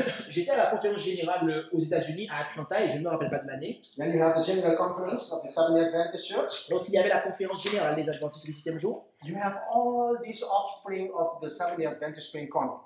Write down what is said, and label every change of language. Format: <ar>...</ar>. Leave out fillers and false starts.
<fr>J'étais à la conférence générale aux États-Unis à Atlanta et je ne me rappelle pas de l'année.</fr> <en>Then you have the General Conference of the Seventh-day Adventist Church.</en> <fr>Donc il y avait la conférence générale des Adventistes du Septième Jour.</fr> <en>You have all these offspring of the Seventh-day Adventist Spring Corner.</en>